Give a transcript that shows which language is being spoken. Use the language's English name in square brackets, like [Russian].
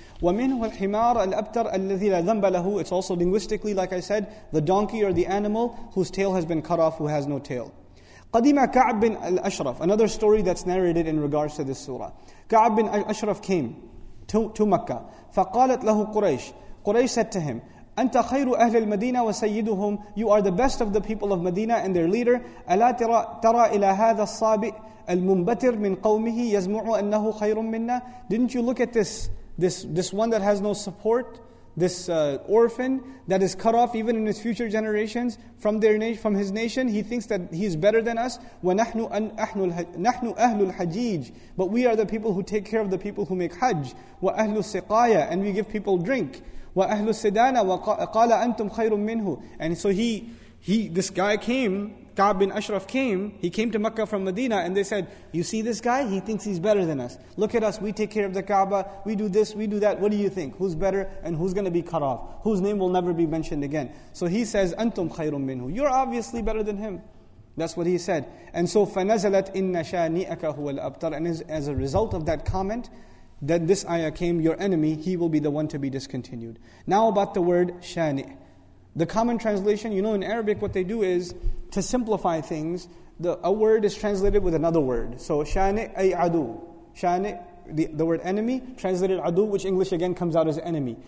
[Arabic] وَمِنْهُ الْحِمَارَ الْأَبْتَرَ الَّذِي لَا ذَنْبَ لَهُ. [English] It's also linguistically, like I said, the donkey or the animal whose tail has been cut off, who has no tail. [Arabic] قَدِمَ كَعْب بِنْ الْأَشْرَفْ. [English] Another story that's narrated in regards to this surah. كَعْب بِنْ أَشْرَفْ came to Mecca. [Arabic] فَقَالَتْ لَهُ قُرَيْشْ. [English] Quraysh said to him, [Arabic] أَنْتَ خَيْرُ أَهْلِ الْمَدِينَةِ وَسَيِّدُهُمْ. [English] You are the best of the people of Medina and their leader. [Arabic] أَلَا تَرَى إِلَى هَذَا الصَّابِئِ الْمُنْبَتِرْ مِنْ قَوْمِهِ يَزْمُعُ أَنَّهُ خَيْرٌ مِنَّا. [English] Didn't you look at this one that has no support, this orphan that is cut off even in his future generations from their from his nation, he thinks that he is better than us. [Arabic] وَنَحْنُ أَهْلُ الْحَجِيجِ. [English] But we are the people who take care of the people who make hajj. [Arabic] وَأَهْلُ السِّقَايَ. [English] And we give people drink. [Arabic] وَأَهْلُ السِّدَانَ. وَقَالَ أَنْتُمْ خَيْرٌ مِّنْهُ. [English] And so this guy came Ka'b bin Ashraf came, he came to Mecca from Medina, and they said, you see this guy? He thinks he's better than us. Look at us, we take care of the Kaaba, we do this, we do that. What do you think? Who's better and who's going to be cut off? Whose name will never be mentioned again? So he says, [Arabic] Antum khayrun minhu. [English] You're obviously better than him. That's what he said. And so, [Arabic] فَنَزَلَتْ إِنَّ شَانِئَكَ هُوَ الْأَبْطَرِ. [English] And as a result of that comment, that this ayah came, your enemy, he will be the one to be discontinued. Now about the word shani. The common translation, you know, in Arabic what they do is, to simplify things, a word is translated with another word. So shani ay adu. Shani, the word enemy, translated adu, which English again comes out as enemy.